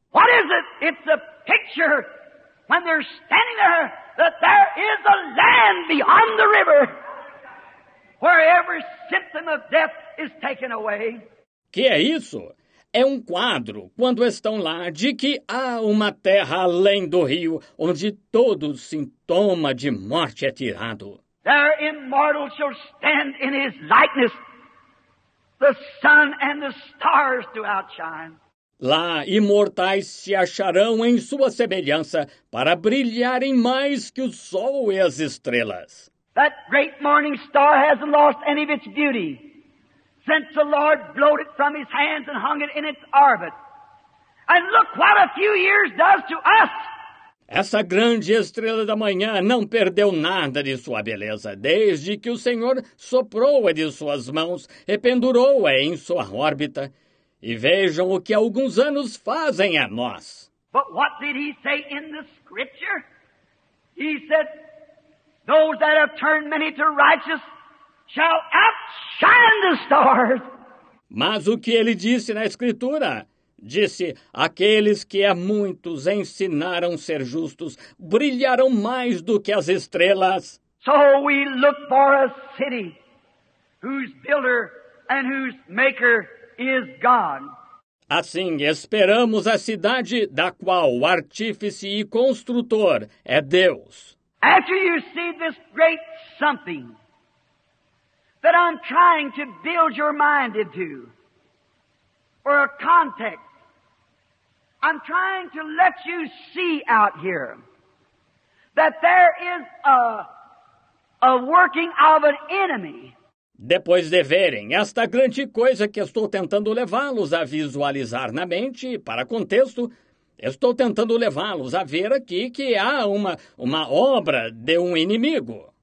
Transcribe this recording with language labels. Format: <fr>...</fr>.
<en>What is it? It's a picture when they're standing there that there is a land beyond the river where every symptom of death is taken away.</en> <pt>Que é isso? É um quadro, quando estão lá, de que há uma terra além do rio, onde todo sintoma de morte é tirado.</pt> <en>There immortal shall stand in his likeness, the sun and the stars to outshine.</en> <pt>Lá imortais se acharão em sua semelhança, para brilharem mais que o sol e as estrelas.</pt> <en>That great morning star hasn't lost any of its beauty. Since the Lord blowed it from his hands and hung it in its orbit. And look what a few years does to us!</en> <pt>Essa grande estrela da manhã não perdeu nada de sua beleza, desde que o Senhor soprou-a de suas mãos e pendurou-a em sua órbita. E vejam o que alguns anos fazem a nós.</pt> <en>But what did he say in the scripture? He said, those that have turned many to righteous shall outshine the stars.</en> <pt>Mas o que ele disse na Escritura? Disse, aqueles que a muitos ensinaram ser justos brilharão mais do que as estrelas.</pt> <en>So we look for a city whose builder and whose maker is God.</en> <pt>Assim, esperamos a cidade da qual o artífice e construtor é Deus.</pt> <en>After you see this great something that I'm trying to build your mind into, or a context, I'm trying to let you see out here that there is a working of an enemy.</en> <pt>Depois de verem esta grande coisa que estou tentando levá-los a visualizar na mente, para contexto, Estou tentando levá-los a ver aqui que há uma obra de um inimigo.</pt>